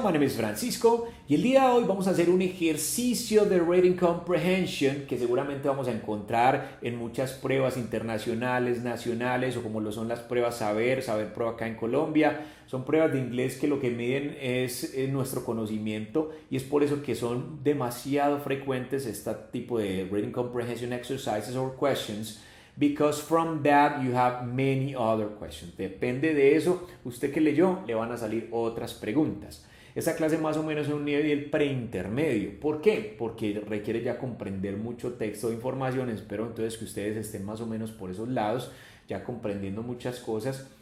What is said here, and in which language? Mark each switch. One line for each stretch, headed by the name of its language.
English: My name is Francisco
Spanish: y el día de hoy vamos a hacer un ejercicio de reading comprehension que seguramente vamos a encontrar en muchas pruebas internacionales, nacionales o como lo son las pruebas Saber Pro acá en Colombia. Son pruebas de inglés que lo que miden es nuestro conocimiento y es por eso que son demasiado frecuentes este tipo de
English: reading comprehension exercises or questions. Because from that you have many other questions.
Spanish: Depende de eso, usted que leyó, le van a salir otras preguntas. Esta clase más o menos es un nivel preintermedio. ¿Por qué? Porque requiere ya comprender mucho texto de información. Espero entonces que ustedes estén más o menos por esos lados, ya comprendiendo muchas cosas.